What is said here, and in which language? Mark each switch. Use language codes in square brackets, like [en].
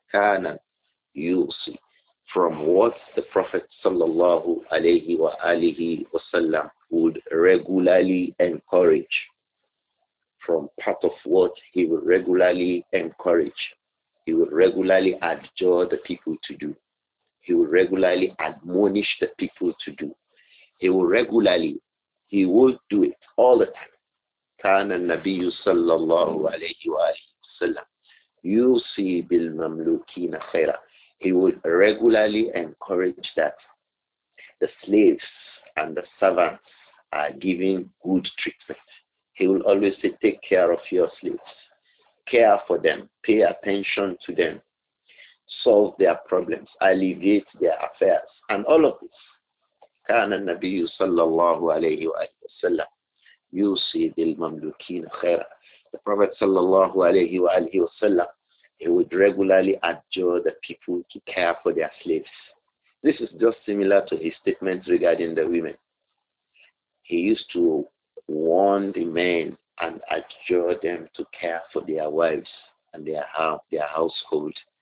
[en] Kana yusi, from what the Prophet sallallahu alayhi wa alihi wa sallam would regularly encourage, from part of what he would regularly encourage, he would regularly adjure the people to do, he would regularly admonish the people to do, he would do it all the time. [ar] كان النبي صلى الله عليه وآله وسلم يوصي بالمملوكين خيرا. [en] He would regularly encourage that the slaves and the servants are giving good treatment. He will always say, take care of your slaves, care for them, pay attention to them, solve their problems, alleviate their affairs, and all of this. [ar] كان النبي صلى الله عليه وسلم يوصي بالمملوكين خيرا. [en] The Prophet صلى الله عليه وسلم, he would regularly adjure the people to care for their slaves. This is just similar to his statements regarding the women. He used to warn the men and adjure them to care for their wives and their household.